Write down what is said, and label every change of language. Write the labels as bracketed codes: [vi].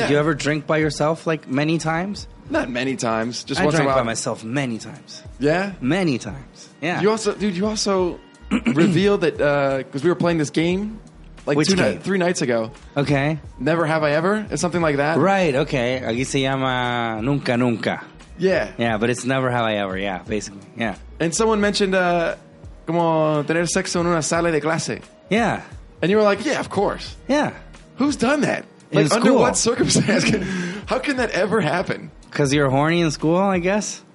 [en] Did you ever drink by yourself, like, many times? Not many times. Just I once in a while. I drank by myself many times. Yeah? Many times. Yeah. You also revealed that, because we were playing this game, like, which two game? Three nights ago. Okay. Never Have I Ever? It's something like that. Right, okay. [es] Aquí se llama Nunca Nunca. [en] Yeah. Yeah, but it's Never Have I Ever, yeah, basically, yeah. And someone mentioned, [es] como tener sexo en una sala de clase. [en] Yeah. And you were like, yeah, of course. Yeah. Who's done that? In like, school. Under what circumstance? How can that ever happen? Because you're horny in school, I guess?